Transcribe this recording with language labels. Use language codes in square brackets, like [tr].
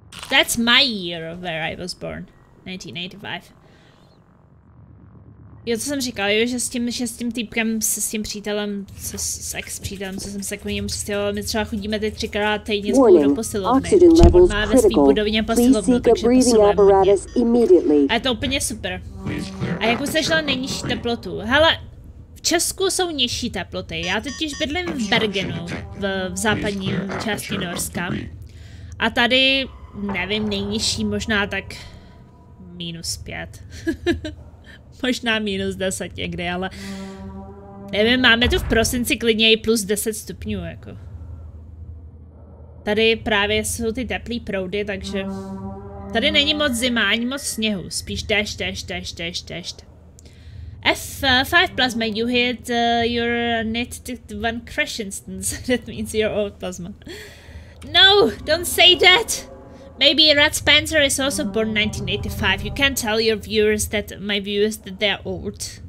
[en] That's my year of where I was born. 1985. [cs] Jo, co jsem říkal, jo, že s tím týpkem, se s tím přítelem, s ex-přítelem, co jsem se k němu přistěhoval, my třeba chodíme teď třikrát týdně spolu do posilovny. On má ve svý budovně posilovnu, takže posilujeme mě. A je to úplně super. A jak už se šla nejnižší teplotu? Hele, v Česku jsou nižší teploty. Já totiž bydlím v Bergenu, v západní části Norska. A tady, nevím, nejnižší možná tak -5. Možná -10 někdy, ale nevím, máme tu v prosinci klidně i +10 stupňů, jako. Tady právě jsou ty teplý proudy, takže tady není moc zima, ani moc sněhu, spíš déšť. [en] F5 plasma, you hit your knit one crash instance, that means your old plasma. No, don't say that! Maybe Rad Spencer is also born 1985. You can't tell your viewers that my viewers that they're old.